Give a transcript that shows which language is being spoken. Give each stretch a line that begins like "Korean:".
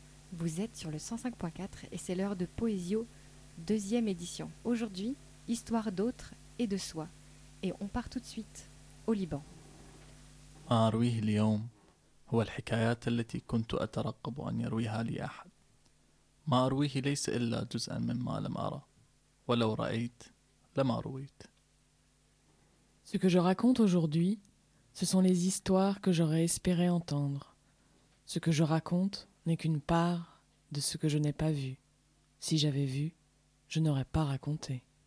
French: Vous êtes sur le 105.4 et c'est l'heure de Poésio, deuxième édition. Aujourd'hui, histoire d'autres et de soi. Et on part tout de suite au Liban.
Arabic: أرويه اليوم هو الحكايات التي كنت أترقب أن يرويها لي أحد. ما أرويه ليس إلا جزءا مما لم أرى. ولو رأيت لما رويت.
French: Ce que je raconte aujourd'hui, ce sont les histoires que j'aurais espéré entendre. Ce que je raconte n'est qu'une part de ce que je n'ai pas vu. Si j'avais vu, je n'aurais pas raconté.